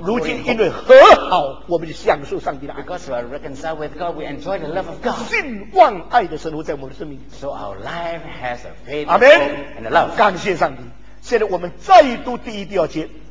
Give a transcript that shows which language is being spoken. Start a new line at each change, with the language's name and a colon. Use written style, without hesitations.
Chinese: 如今因为和好，我们就享受上帝的爱。
English: Because we are reconciled with God, we enjoy the love of God.
Chinese: 信望爱的神活在我们的生命。
English: So our life has a faith, hope, and a love.
Chinese: 感谢上帝。现在我们再读第一、第二节。